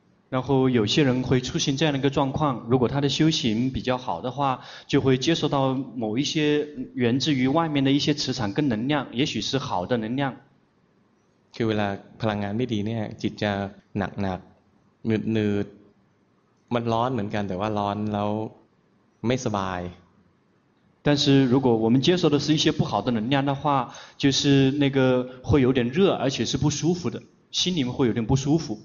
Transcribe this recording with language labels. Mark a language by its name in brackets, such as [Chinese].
[Chinese] 然后有些人会出现这样的一个状况如果他的修行比较好的话就会接受到某一些源自于外面的一些磁场跟能量也许是好的能量 [Thai] คือเวลาพลังงานไม่ดีเนี่ยจิตจะหนักหนืดๆมันร้อนเหมือนกันแต่ว่าร้อนแล้วไม่สบาย [Chinese] 但是如果我们接受的是一些不好的能量的话就是那个会有点热而且是不舒服的心里面会有点不舒服